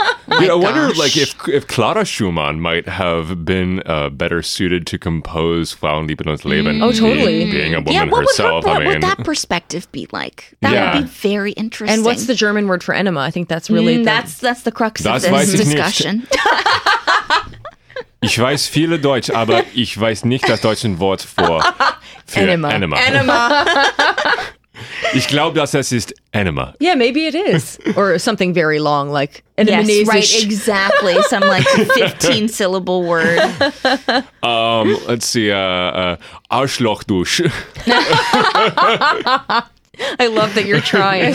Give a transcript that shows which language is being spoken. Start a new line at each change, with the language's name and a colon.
English: Oh, yeah, I wonder, like, if Clara Schumann might have been better suited to compose Frauenlieben und Leben. Mm. Oh, totally. Being a woman herself. Yeah, what would that perspective be like? That would be very interesting. And what's the German word for enema? I think that's really That's the crux of this discussion.
German: Ich weiß viele Deutsch, aber ich weiß nicht das deutsche Wort für enema.
English: Enema.
German: Ich glaube, dass das ist enema.
English: Yeah, maybe it is. Or something very long, like enema. Yes, right, exactly. Some like 15-syllable word. Let's see. Arschlochdusch. I love that you're trying.